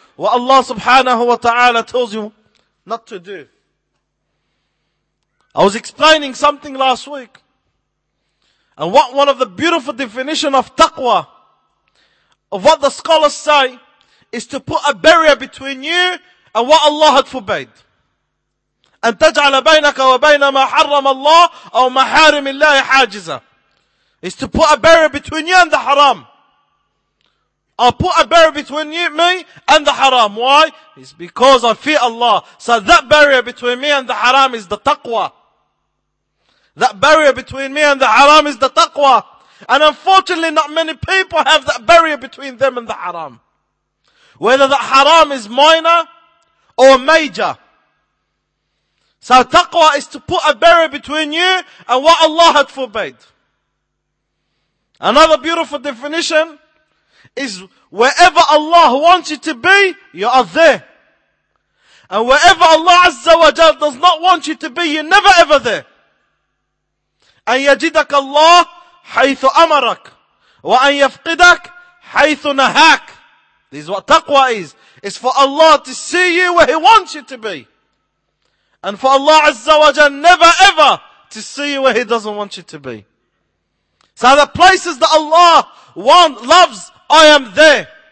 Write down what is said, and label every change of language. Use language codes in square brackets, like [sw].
[en] what Allah subhanahu wa ta'ala tells you not to do. I was explaining something last week. And what one of the beautiful definition of taqwa, of what the scholars say, is to put a barrier between you and what Allah had forbade. [ar] أن تجعل بينك وبين ما حرم الله أو محارم الله حاجزة. [en] Is to put a barrier between you and the haram. I'll put a barrier between you, me and the haram. Why? It's because I fear Allah. So that barrier between me and the haram is the taqwa. That barrier between me and the haram is the taqwa. And unfortunately not many people have that barrier between them and the haram. Whether that haram is minor or major. So taqwa is to put a barrier between you and what Allah had forbade. Another beautiful definition is wherever Allah wants you to be, you are there. And wherever Allah Azza wa Jal does not want you to be, you're never ever there. [ar] أن يجدك الله حيث أمرك وأن يفقدك حيث نهاك. [en] This is what taqwa is. It's for Allah to see you where He wants you to be. And for Allah Azza wa Jal never ever to see you where He doesn't want you to be. So the places that Allah wants, loves, I am there.